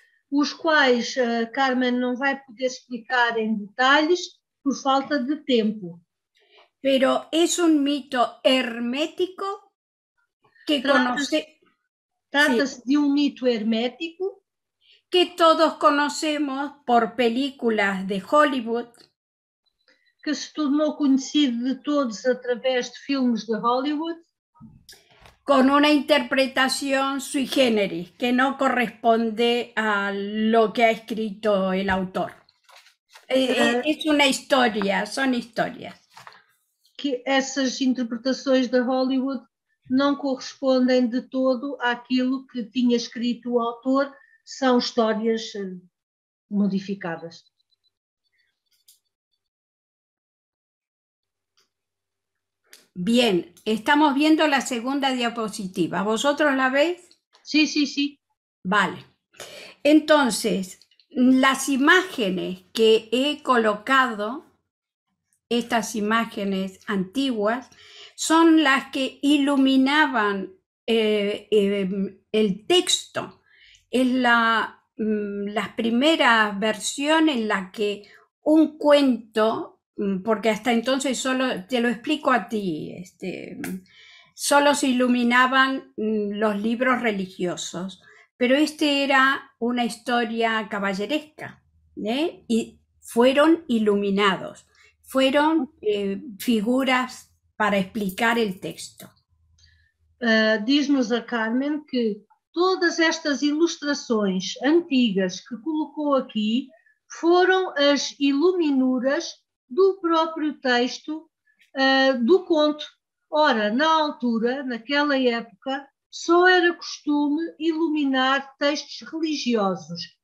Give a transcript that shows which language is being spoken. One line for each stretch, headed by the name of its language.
Portuguese: Os quais Carmen não vai poder explicar em detalhes por falta de tempo.
Spanish: Pero es un mito hermético que
Portuguese: trata-se de um mito hermético
Spanish: que todos conocemos por películas de Hollywood,
Portuguese: que se tornou conhecido de todos através de filmes de Hollywood, com uma interpretação sui generis, que não corresponde
Spanish: a lo que ha escrito
Portuguese: o autor. É uma história, são histórias. Que essas interpretações de Hollywood não correspondem de todo àquilo que tinha escrito o autor, são histórias modificadas.
Spanish: Bien, estamos viendo la segunda diapositiva. ¿Vosotros la veis? Sí, sí, sí. Vale. Entonces, las imágenes que he colocado, estas imágenes antiguas, son las que iluminaban el texto. Es las primeras versiones en las que un cuento, porque hasta entonces solo, te lo explico a ti, solo se iluminaban los libros religiosos, pero este era una historia caballeresca, ¿eh? Y fueron iluminados, fueron figuras para explicar el texto.
Portuguese: Diz-nos a Carmen que todas estas ilustrações antigas que colocou aqui foram as iluminuras do próprio texto do conto. Ora, na altura, naquela época, só era costume iluminar textos religiosos.